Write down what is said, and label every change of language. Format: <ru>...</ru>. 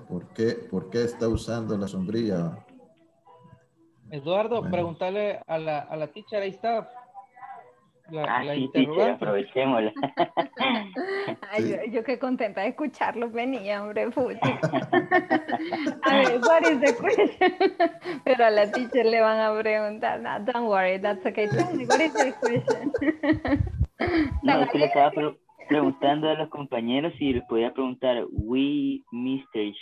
<es>¿Por qué está usando la sombrilla? Eduardo, bueno. Pregúntale a la teacher, ahí está. sí, aprovechémosla. Ay, yo qué contenta de escucharlo, venía, hombre, Fuchi. A ver,</es> <en>what is the question?</en> <es>Pero a la teacher le van a preguntar, no,</es> <en>don't worry, that's okay. Tell me, what is the question?</en> <es>No, yo le estaba preguntando a los compañeros si les podía preguntar, we, Mr.</es>